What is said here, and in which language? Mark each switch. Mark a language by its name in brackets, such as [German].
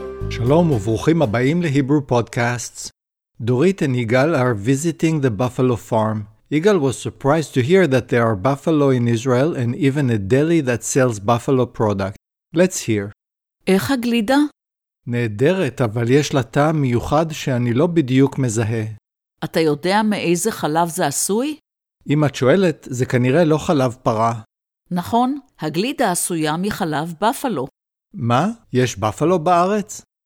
[Hebrew] שלום וברוכים הבאים להיברו פודקאסט. [English] דורית ויגאל are visiting the buffalo farm. יגאל was surprised to hear that there are buffalo in Israel and even a deli that sells buffalo product. Let's hear. [Hebrew] איך הגלידה? נהדרת, אבל יש לה טעם מיוחד שאני לא בדיוק מזהה. אתה יודע מאיזה חלב זה עשוי? אם את שואלת, זה כנראה לא חלב פרה. נכון, הגלידה עשויה מחלב בפלו. מה? יש בפלו בארץ?